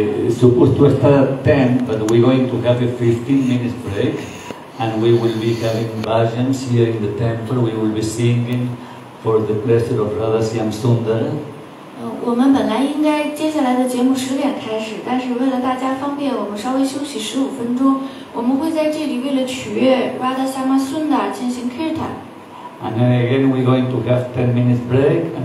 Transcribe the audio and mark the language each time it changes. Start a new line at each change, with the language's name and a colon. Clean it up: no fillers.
English: Supposed to start at 10, but we're going to have a 15-minute break, and we will be having bhajans here in the temple. We will be singing for the pleasure of Radha Syam Sundara.
Chinese: 我们本来应该接下来的节目10点开始，但是为了大家方便，我们稍微休息15分钟。我们会在这里为了取悦 Radha Syam Sundara 进行 kirtan.
English: And then again, we're going to have 10-minute break.